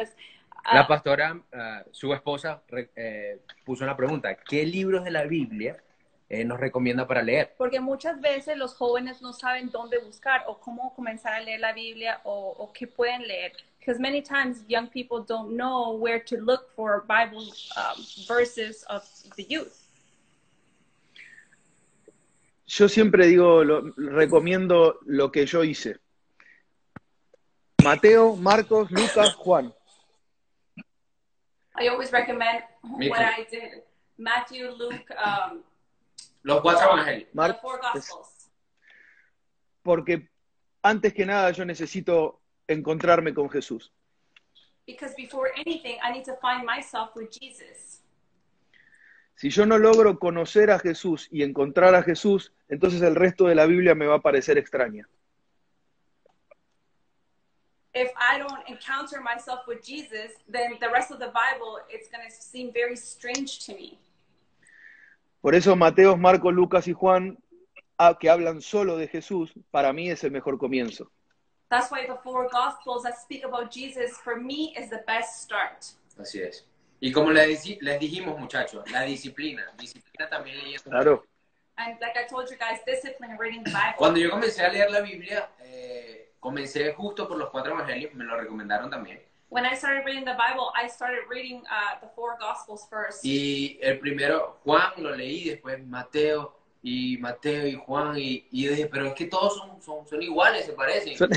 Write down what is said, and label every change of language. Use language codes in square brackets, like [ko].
[en] Because [es] la pastora su esposa puso una pregunta, ¿qué libros de la Biblia nos recomienda para leer? Porque muchas veces los jóvenes no saben dónde buscar o cómo comenzar a leer la Biblia o qué pueden leer. [en] Because many times young people don't know where to look for Bible verses of the youth. [es] Yo siempre digo, recomiendo lo que yo hice. Mateo, Marcos, Lucas, Juan. [en] I always recommend what I did. Matthew, Luke, [es] los cuatro evangelios. Mark, los cuatro. Porque antes que nada yo necesito encontrarme con Jesús. [en] Because before anything, I need to find myself with Jesus. [es] Si yo no logro conocer a Jesús y encontrar a Jesús, entonces el resto de la Biblia me va a parecer extraña. [en] If I don't encounter myself with Jesus, then the rest of the Bible, it's going to seem very strange to me. [es] Por eso Mateo, Marcos, Lucas y Juan, que hablan solo de Jesús, para mí es el mejor comienzo. [en] That's why the four gospels that speak about Jesus, for me, is the best start. [es] Así es. Y como les dijimos, muchachos, la disciplina. Disciplina también leía. Claro. [en] And like I told you guys, discipline reading the Bible. [es] Cuando yo comencé a leer la Biblia, comencé justo por los cuatro evangelios, me lo recomendaron también. [en] When I started reading the Bible, I started reading the four gospels first. [es] Y el primero, Juan, lo leí, después Mateo y Juan, y yo dije, pero es que todos son iguales, se parecen.